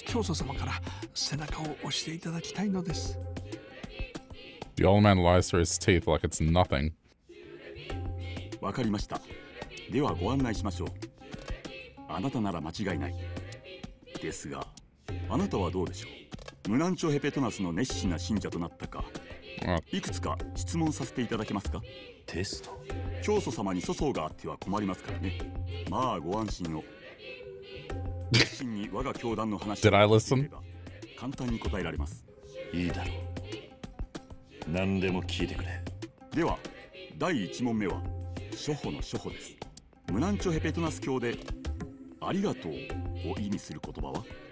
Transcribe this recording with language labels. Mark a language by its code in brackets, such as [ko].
[ja] 素晴らしい信仰心の持ち主ですね。あなたは私は感激しました。はあ、よかった。ですが、町金へ行くのはやはり恐ろしくて、直接教祖様から背中を押していただきたいのです。 [en] The old man lies through his teeth like it's nothing. [ja] わかりました。ではご案内しましょう。あなたなら間違いない。ですが、あなたはどうでしょう。ムナンチョヘペトナスの熱心な信者となったか。いくつか質問させていただけますか。テスト。教祖様に粗相があっては困りますからね。まあご安心を。熱心に我が教団の話。 [en] Did I listen? [ja] 簡単に答えられます。いいだろう。何でも聞いてくれ。では第一問目は初歩の初歩です。ムナンチョヘペトナス教でありがとうを意味する言葉は。